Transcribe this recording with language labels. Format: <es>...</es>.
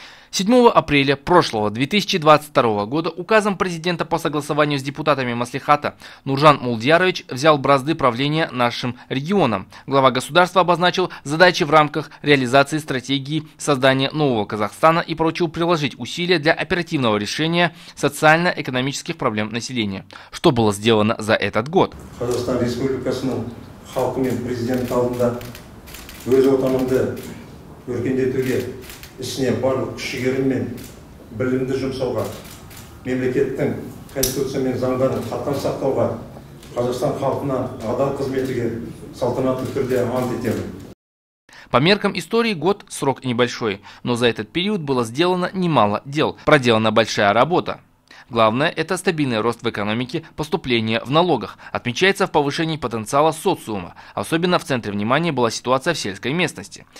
<ru>7 апреля прошлого 2022 года указом президента по согласованию с депутатами Маслихата Нуржан Мулдиярович взял бразды правления нашим регионом. Глава государства обозначил задачи в рамках реализации стратегии создания нового Казахстана и поручил приложить усилия для оперативного решения социально-экономических проблем населения. Что было сделано за этот год?</ru> <kk>Казахстан республикасының халқы мен президент алдында өз отанымды өркендетуге ісіне барлық күш-жігерім мен білімді жұмсауға, мемлекеттің конституция мен заңдарын қатаң сақтауға, Қазақстан халқына адал қызметке салтанатты түрде ант етемін.</kk> <ru>По меркам истории год – срок небольшой, но за этот период было сделано немало дел, проделана большая работа. Главное – это стабильный рост в экономике, поступление в налогах. Отмечается в повышении потенциала социума. Особенно в центре внимания была ситуация в сельской местности.</ru>